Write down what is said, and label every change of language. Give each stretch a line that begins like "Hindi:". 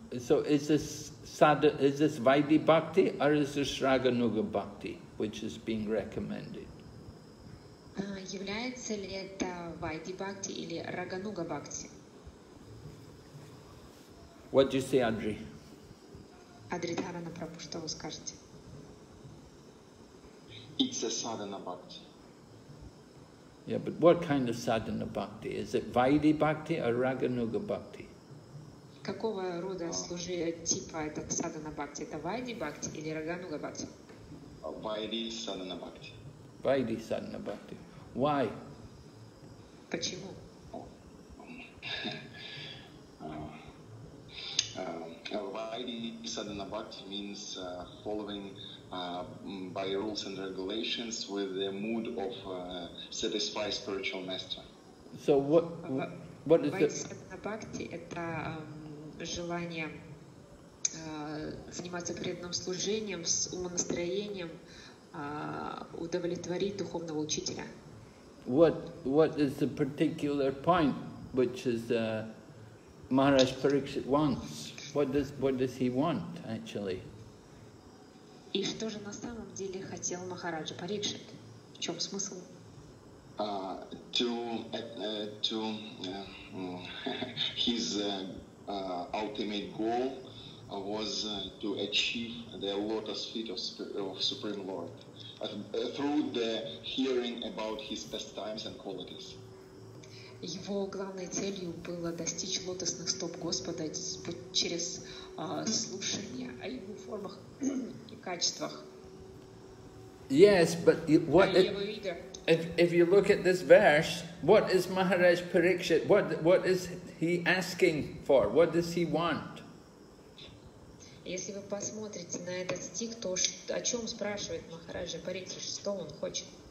English: So is this Vaidhi Bhakti or is this Raganuga Bhakti, which is being recommended?
Russian: Является ли это Vaidhi Bhakti или Raganuga Bhakti?
English: What do you say, Adri?
Russian: Adri Dharana Prabhu, что вы скажете?
English: It's a sadhana bhakti. Yeah, but what kind of sadhana bhakti? Is it Vairi bhakti or Raganuga bhakti?
Russian: Какого рода типа это садхана бхакти? Это вайди бхакти или рагануга бхакти? Вайди садхана бхакти. Вайди садхана бхакти.
English: Why?
Russian: Почему?
English: Вайди садхана бхакти means following by rules and regulations with the mood of satisfied spiritual master. So what is
Russian: Vaidhi Sadhana Bhakti это желание заниматься преданным служением с умонастроением удовлетворить духовного учителя.
English: What is the particular point which is Maharaj Parikshit wants? What does he want actually?
Russian: И что же на самом деле хотел Махараджа Парикшит? В чем смысл?
English: Ultimate goal was to achieve the lotus feet of Supreme Lord through the hearing about his pastimes and qualities.
Russian: Его главной целью было достичь лотосных стоп Господа через слушание о его формах и качествах.
English: Yes, but if you look at this verse, what is Maharaj Parikshit? What is he asking for? What does he want?
Russian: Если вы посмотрите на этот стих, то о чем спрашивает Махарадж Парикшит, что он хочет?